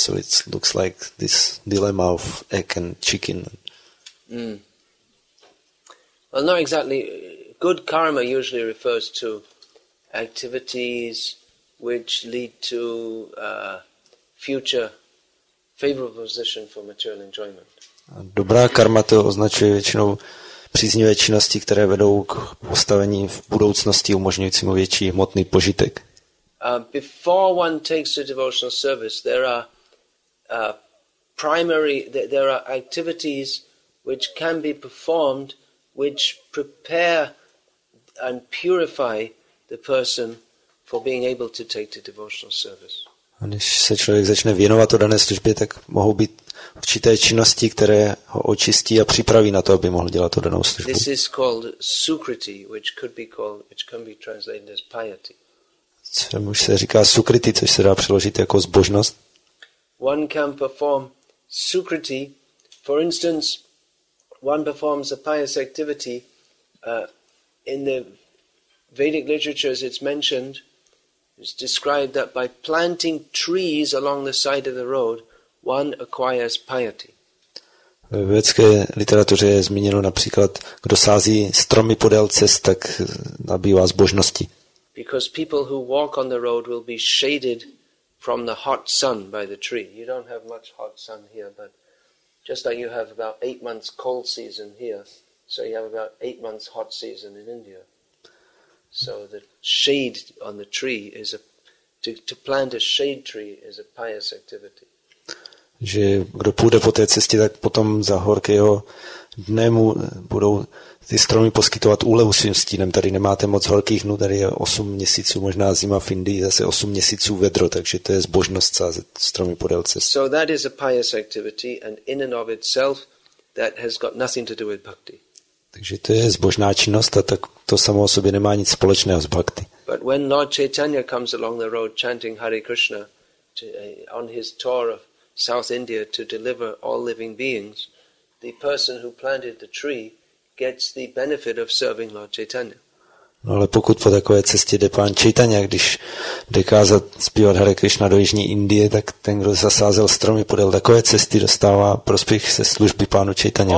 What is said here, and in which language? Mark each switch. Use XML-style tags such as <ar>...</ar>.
<en>So it looks like this dilemma of egg and chicken. Well, not exactly. Good karma usually refers to activities which lead to future favorable position for material enjoyment.</en> <cs>Dobrá karma to označuje většinou příznivé činnosti, které vedou k postavení v budoucnosti umožňujícímu větší hmotný požitek.</cs> <en>Before one takes a devotional service, there are primary there are activities which can be performed which prepare and purify the person for being able to take the devotional service.</en> <cs>A když se člověk začne věnovat o dané službě, tak mohou být určité činnosti, které ho očistí a připraví na to, aby mohl dělat o danou službu.</cs> <en>This is called sukriti, which can be translated as piety.</en> <cs>Což se říká sukriti, což se dá přeložit jako zbožnost.</cs> <en>One can perform sukriti, for instance, one performs a pious activity. In the Vedic literatures, it's mentioned, it's described that by planting trees along the side of the road, one acquires piety.</en> <cs>V vědecké literatuře je zmíněno například, kdo sází stromy podél cest, tak nabývá zbožnosti.</cs> <en>Because people who walk on the road will be shaded from the hot sun by the tree. You don't have much hot sun here, but just like you have about 8 months cold season here, so you have about 8 months hot season in India. So the shade on the tree is a to plant a shade tree is a pious activity.</en> <cs>Že kdo půjde po té cestě, tak potom za horkého dne mu budou ty stromy poskytovat úlevu svým stínem. Tady nemáte moc horkých dnů, tady je 8 měsíců, možná zima v Indii, zase 8 měsíců vedro, takže to je zbožnost sázet stromy podél cesty.</cs> <en>So that is a pious activity and in and of itself that has got nothing to do with bhakti.</en> <cs>Takže to je zbožná činnost a tak to samo o sobě nemá nic společného s bhakti.</cs> <en>But when Lord Chaitanya comes along the road chanting Hare Krishna on his tour of South India to deliver all living beings, the person who planted the tree gets the benefit of serving Lord Chaitanya.</en> <cs>No ale pokud po takové cestě jde pán Chaitanya, když jde kázat zpívat Hare Krishna do jižní Indie, tak ten, kdo zasázel stromy podél takové cesty, dostává prospěch se služby pánu Chaitanya.</cs>